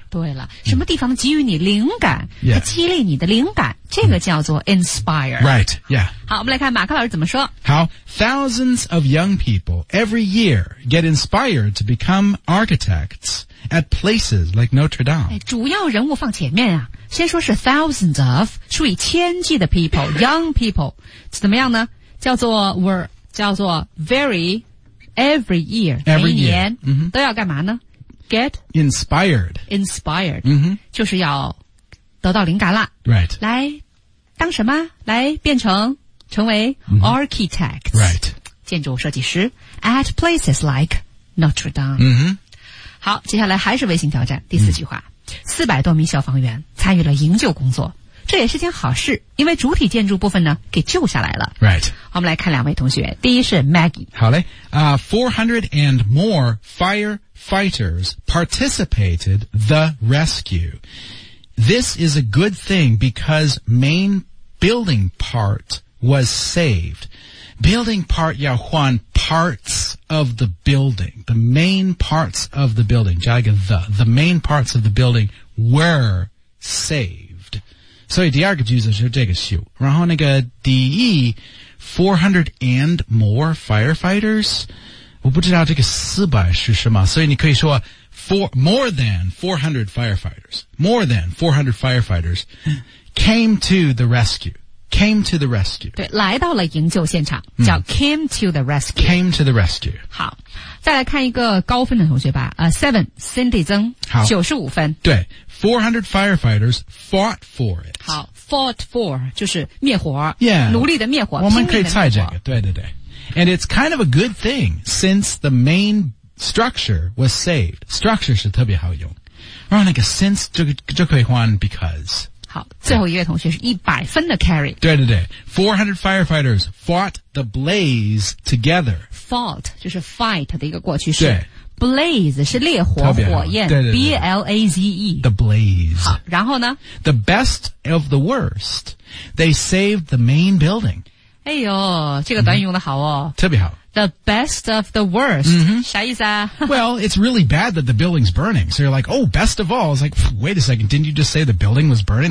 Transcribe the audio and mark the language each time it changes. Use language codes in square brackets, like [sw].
[zh] 对了什么地方给予你灵感、 [en] yeah. [zh] 激励你的灵感这个叫做 inspire. [en] Right, yeah. [zh] 好我们来看马克老师怎么说。 [en] How thousands of young people every year get inspired to become architects at places like Notre Dame.、 [zh] 哎、主要人物放前面啊先说是 thousands of, 数以千计的 people, young people, 怎么样呢叫做 [en] very, every year, [zh] 每一年、 mm-hmm. 都要干嘛呢 get [en] inspired. Inspired,、 mm-hmm. [zh] 就是要得到灵感了。 [en] Right. [zh] 来当什么来变成成为 architects、 [en] mm-hmm. right. [zh] 建筑设计师 [en] at places like Notre Dame、 mm-hmm. [zh] 好接下来还是微信挑战第四句话、mm-hmm. 400多名消防员参与了营救工作这也是件好事因为主体建筑部分呢给救下来了 [en] Right. [zh] 我们来看两位同学第一是 Maggie [en] 好嘞、400 and more firefighters participated the rescue This is a good thing because main building part was saved. Building part, Yahuan, parts of the building. The main parts of the building. Jaga, the main parts of the building were saved. [zh] So, 第二个句子是这个修。然后那个第一 [en] 400 and more firefighters? [zh] 我不知道这个四百是什么。 [en] 所以你可以说more than 400 firefighters, more than 400 firefighters came to the rescue, came to the rescue. [zh] 对来到了营救现场、叫 [en] came to the rescue. Came to the rescue. [zh] 好再来看一个高分的同学吧、7, Cindy 曾95分。 [en] 对 ,400 firefighters fought for it. [zh] 好 ,fought for, 就是灭火。 [en] Yeah. [zh] 努力的灭火。我们可以猜这个对对对。 [en] And it's kind of a good thing since the main Structure was saved. [zh] Structure 是特别好用。然后那个 since 就可以换 because。好，最后一位同学是100分的 carry。 [en] 对对对 ,400 firefighters fought the blaze together. [zh] Fought, 就是 fight 的一个过去式。对。 Blaze 是烈火火焰 ,B-L-A-Z-E。 [en] The blaze. [zh] 好，然后呢 [en] ?The best of the worst. They saved the main building. [zh] 哎呦，这个短语用得好哦。 Mm-hmm. 特别好。 [en] The best of the worst.、 Mm-hmm. [zh] 啥意思啊 [en] Well, it's really bad that the building's burning. So you're like, oh, best of all. It's like, wait a second. Didn't you just say the building was burning?